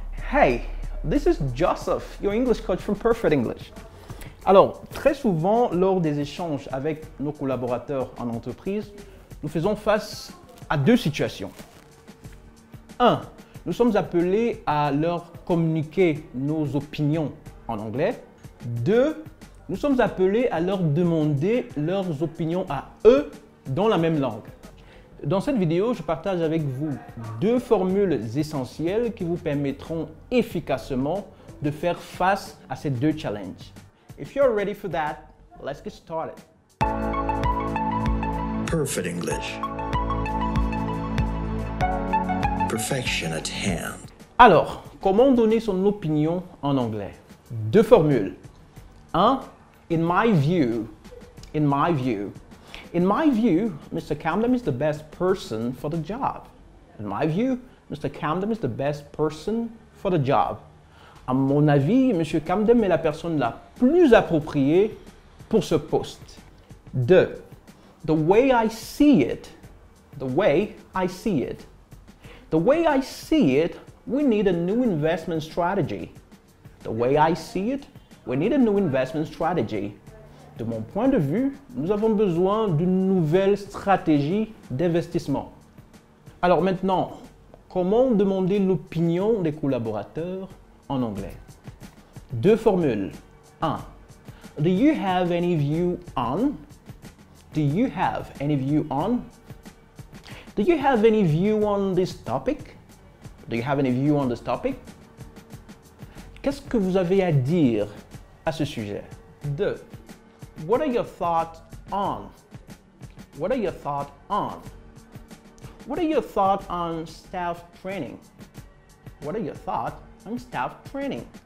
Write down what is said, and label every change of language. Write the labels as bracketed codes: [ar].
[en] Hey, this is Joseph, your English coach from Perfect English. [fr] Alors, très souvent, lors des échanges avec nos collaborateurs en entreprise, nous faisons face à deux situations. Un, nous sommes appelés à leur communiquer nos opinions en anglais. Deux, nous sommes appelés à leur demander leurs opinions à eux dans la même langue. Dans cette vidéo, je partage avec vous deux formules essentielles qui vous permettront efficacement de faire face à ces deux challenges. [en] If you're ready for that, let's get started. Perfect English. Perfection at hand. [fr] Alors, comment donner son opinion en anglais? Deux formules. Un, [en] in my view. In my view. In my view, Mr. Camden is the best person for the job. In my view, Mr. Camden is the best person for the job. [fr] À mon avis, Monsieur Camden est la personne la plus appropriée pour ce poste. Deux, [en] the way I see it, the way I see it, the way I see it, we need a new investment strategy. The way I see it, we need a new investment strategy. [fr] De mon point de vue, nous avons besoin d'une nouvelle stratégie d'investissement. Alors maintenant, comment demander l'opinion des collaborateurs en anglais? Deux formules. Un. [en] Do you have any view on? Do you have any view on? Do you have any view on this topic? Do you have any view on this topic? [fr] Qu'est-ce que vous avez à dire à ce sujet? Deux. [en] What are your thoughts on? What are your thoughts on? What are your thoughts on staff training? What are your thoughts on staff training?